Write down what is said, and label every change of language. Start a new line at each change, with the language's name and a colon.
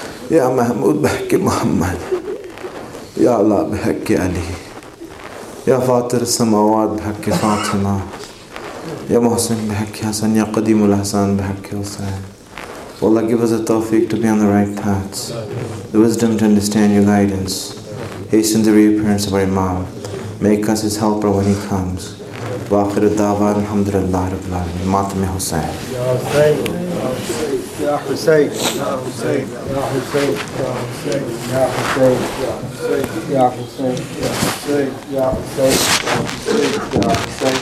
Arabic: يا محمود بحكي محمد، يا الله بحكي علي، يا فاطر السماوات بحكي فاطمة، يا محسن بحكي حسن، يا قديم الأحسان بحكي حسين.
English: والله give us the tawfiq to be on the right paths, the wisdom to understand your guidance. Hasten the reappearance of our Imam. Make us his helper when he comes.
Arabic: وآخر الدعوة الحمد لله رب العالمين. ماتم حسين. يا حسين. يا حسين. يا حسين. يا حسين. يا حسين. يا حسين. يا حسين. يا حسين. يا حسين.